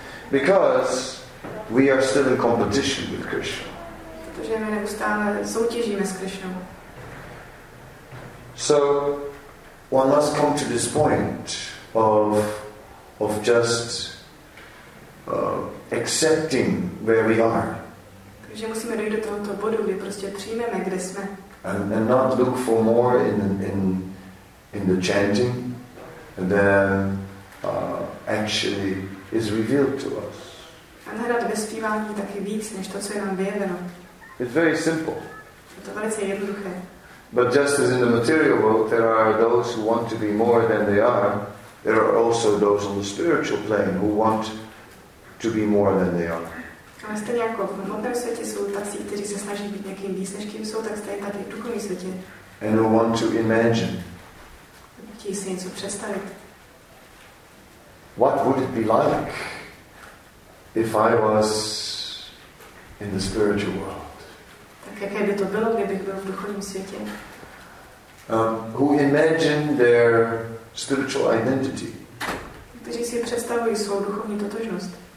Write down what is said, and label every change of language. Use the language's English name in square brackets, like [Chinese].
[English] Because we are still in competition with Krishna. So one must come to this point of just accepting where we are. [Czech] Takže musíme dojít do tohoto bodu, kdy prostě přijmeme, kde jsme. [English] And not look for more in the chanting than actually is revealed to us. [Czech] A nehrát ve zpívání taky víc, než to, co je nám vyjeveno. [English] It's very simple. [Czech] Je to velice jednoduché. [English] But just as in the material world, there are those who want to be more than they are, there are also those on the spiritual plane who want to be more than they are. [Czech] Ale stejně jako v hmotném světě jsou tací, kteří se snaží být někým víc, než kým jsou, tak stejně tady v duchovním světě. [English] And we want to imagine. [Czech] Chtějí si něco představit. [English] What would it be like if I was in the spiritual world? [Czech] Tak jaké by to bylo, kdybych byl v duchovním světě? [English] Who imagine their spiritual identity? [Czech] Kteří si představují svou duchovní totožnost.